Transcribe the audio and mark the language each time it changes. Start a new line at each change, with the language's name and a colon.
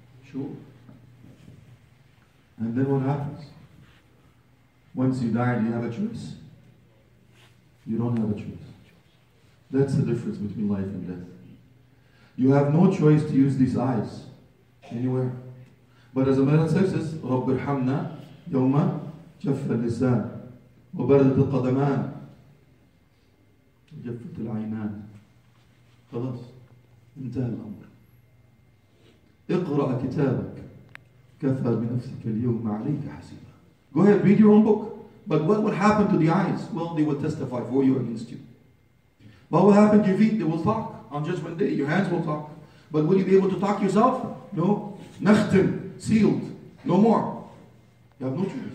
English: Sure. And then what happens? Once you die, do you have a choice? You don't have a choice. That's the difference between life and death. You have no choice to use these eyes anywhere. But as a man says,
Arabic: رَبِّ ارْحَمْنَا يَوْمَ جَفَّ اللِّسَانِ وَبَرَدَتِ الْقَدَمَانِ وَجَفَّتِ الْعَيْنَانِ. خلاص. انتهى الأمر. اقرأ كتابك. كفى بنفسك اليوم عليك حسيبا.
English: Go ahead, read your own book. But what will happen to the eyes? Well, they will testify for you against you. What will happen to your feet? They will talk on judgment day. Your hands will talk. But will you be able to talk yourself? No. Nachtim, sealed. No more. You have no choice.